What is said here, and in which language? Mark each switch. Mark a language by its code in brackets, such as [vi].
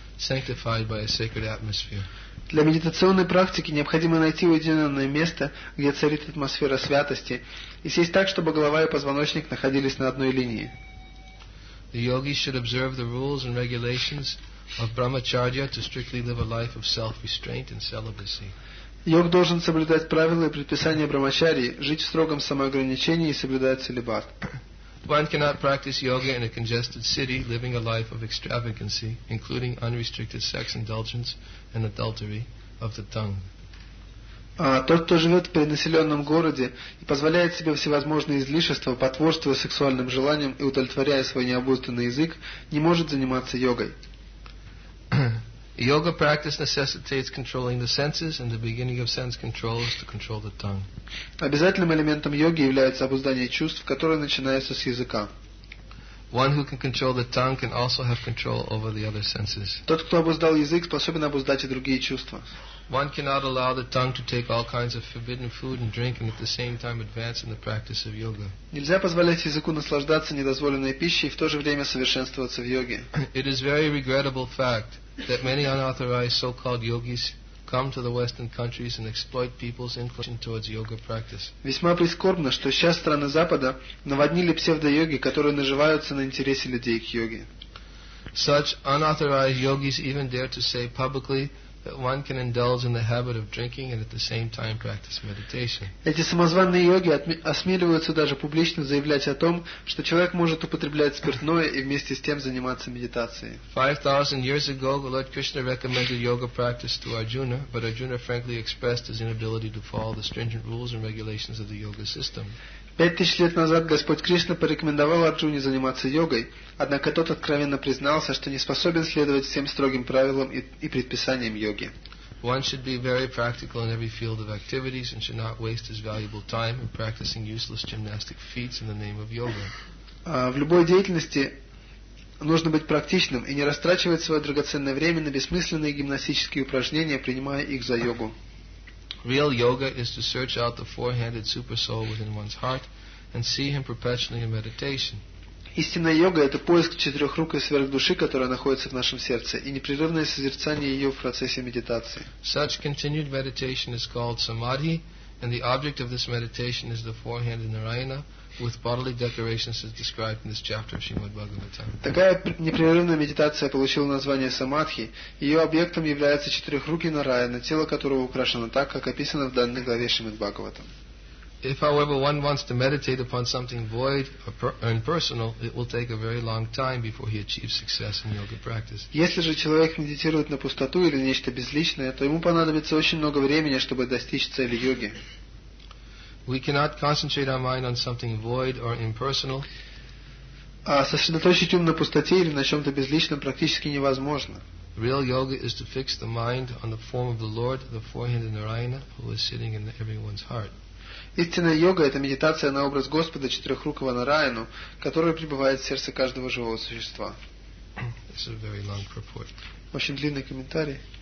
[en] sanctified by a sacred atmosphere. [ru] Для медитационной практики необходимо найти уединенное место, где царит атмосфера святости, и сесть так, чтобы голова и позвоночник находились на одной линии. [en] The yogi should observe the rules and regulations of brahmacharya to strictly live a life of self-restraint and celibacy. [ru] Йог должен соблюдать правила и предписания брахмачарьи, жить в строгом самоограничении и соблюдать целибат. [en] One cannot practice yoga in a congested city, living a life of extravagancy, including unrestricted sex indulgence and adultery of the tongue. [ru] Тот, кто живет в перенаселенном городе и позволяет себе всевозможные излишества, потворствуя сексуальным желаниям и удовлетворяя свой необузданный язык, не может заниматься йогой. [en] Yoga practice necessitates controlling the senses, and the beginning of sense control is to control the tongue. [ru] Обязательным элементом йоги является обуздание чувств, которое начинается с языка. [en] One who can control the tongue can also have control over the other senses. [ru] Тот, кто обуздал язык, способен обуздать и другие чувства. [en] One cannot allow the tongue to take all kinds of forbidden food and drink, and at the same time advance in the practice of yoga. [ru] Нельзя позволять языку наслаждаться недозволенной пищей и в то же время совершенствоваться в йоге. [en] It is a very regrettable fact that many unauthorized so-called yogis come to the Western countries and exploit people's inclination towards yoga practice. [ru] Весьма прискорбно, что сейчас страны Запада наводнили псевдо-йоги, которые наживаются на интересе людей к йоге. [en] Such unauthorized yogis even dare to say publicly that one can indulge in the habit of drinking and at the same time practice meditation. [ru] Эти самозванные йоги осмеливаются даже публично заявлять о том, что человек может употреблять спиртное и вместе с тем заниматься медитацией. [en] 5,000 years ago, Lord Krishna recommended yoga practice to Arjuna, but Arjuna frankly expressed his inability to follow the stringent rules and regulations of the yoga system. [ru] 5,000 лет назад Господь Кришна порекомендовал Арджуне заниматься йогой, однако тот откровенно признался, что не способен следовать всем строгим правилам и предписаниям йоги. [en] One should be very practical in every field of activities and should not waste his valuable time in practicing useless gymnastic feats in the name of yoga. [ru] В любой деятельности нужно быть практичным и не растрачивать свое драгоценное время на бессмысленные гимнастические упражнения, принимая их за йогу. [en] Real yoga is to search out the four-handed super soul within one's heart and see him perpetually in meditation. [ru] Истинная йога – это поиск четырехрукой сверхдуши, которая находится в нашем сердце, и непрерывное созерцание ее в процессе медитации. [en] Such continued meditation is called samadhi, and the object of this meditation is the four-handed Narayana with bodily decorations as described in this chapter of Srimad Bhagavatam. [ru] Такая непрерывная медитация получила название самадхи. Ее объектом является четырехрукий Нараяна, тело которого украшено так, как описано в данной главе Шримад Бхагаватам. [en] If, however, one wants to meditate upon something void or impersonal, it will take a very long time before he achieves success in yoga practice. [ru] Если же человек медитирует на пустоту или нечто безличное, то ему понадобится очень много времени, чтобы достичь цели йоги. [en] We cannot concentrate our mind on something void or impersonal. [ru] А сосредоточить ум на пустоте или на чем-то безличном практически невозможно. [en] Real yoga is to fix the mind on the form of the Lord, the four-handed Narayana, who is sitting in everyone's heart. [ru] Истинная йога – это медитация на образ Господа четырехрукого Нараяну, который пребывает в сердце каждого живого существа. [en] This is a very long purport. [ru] Очень длинный комментарий.